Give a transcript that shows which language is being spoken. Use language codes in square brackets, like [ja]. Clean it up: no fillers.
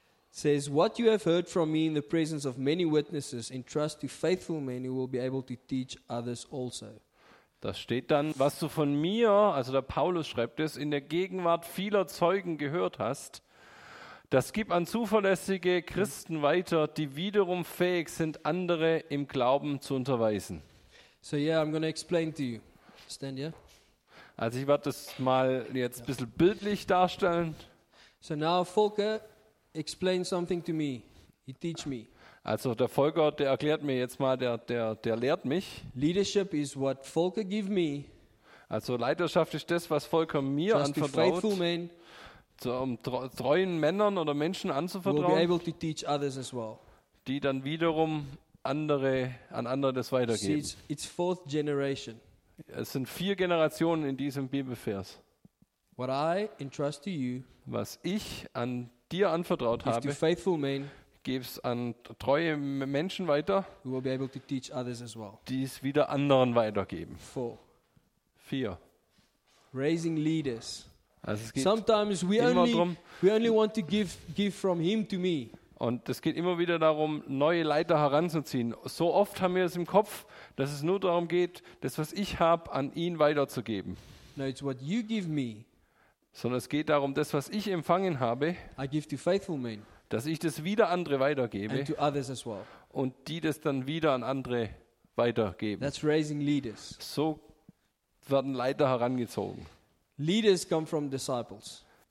[en] says, what you have heard from me in the presence of many witnesses, entrust to faithful men who will be able to teach others also. [de] Das steht dann, was du von mir, also der Paulus schreibt es, in der Gegenwart vieler Zeugen gehört hast, Das gib an zuverlässige Christen weiter, die wiederum fähig sind, andere im Glauben zu unterweisen. [en] So yeah, I'm going to explain to you. Stand, yeah? [de] Also ich werde das mal jetzt ein bisschen bildlich darstellen. [en] So now Volker, explain something to me. He teach me. [de] Also der Volker, der erklärt mir jetzt mal, der lehrt mich. [en] Leadership is what Volker give me. [de] Also Leiterschaft ist das, was Volker mir anvertraut. Treuen Männern oder Menschen anzuvertrauen, [en] we'll be able to teach others as well. [de] Die dann wiederum andere, an andere das weitergeben. [en] See, it's fourth generation. [de] Es sind vier Generationen in diesem Bibelvers. [en] What I entrust to you, [de] was ich an dir anvertraut habe, gebe es an treue Menschen weiter, [en] we'll be able to teach others as well. [de] Die es wieder anderen weitergeben. [en] Four. [de] Vier. [en] Raising leaders. [de] Also es geht [en] sometimes we [de] immer [en] only [de] drum, [en] we only want to give from him to me. [de] Und es geht immer wieder darum, neue Leiter heranzuziehen. So oft haben wir es im Kopf, dass es nur darum geht, das, was ich habe, an ihn weiterzugeben. [en] No, it's what you give me. [de] Sondern es geht darum, das, was ich empfangen habe, [en] I give to faithful men, [de] dass ich das wieder andere weitergebe, [en] and to others as well. [de] Und die das dann wieder an andere weitergeben. [en] That's raising leaders. [de] So werden Leiter herangezogen. [en] Leaders come from disciples.